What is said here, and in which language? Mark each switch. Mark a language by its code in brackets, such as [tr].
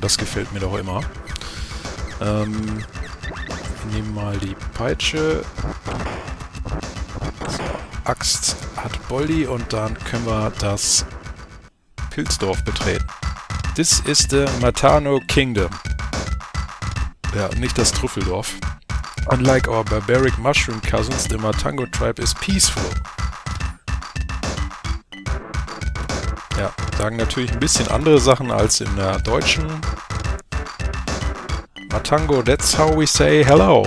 [de] Das gefällt mir doch immer. Nehmen mal die Peitsche. So, Axt hat Bolli und dann können wir das Pilzdorf betreten. Das ist der Matano Kingdom. Ja, nicht das Trüffeldorf. [en] Unlike our barbaric mushroom cousins, the Matango tribe is peaceful. [de] Ja, sagen natürlich ein bisschen andere Sachen als in der deutschen. [en] Matango, that's how we say hello.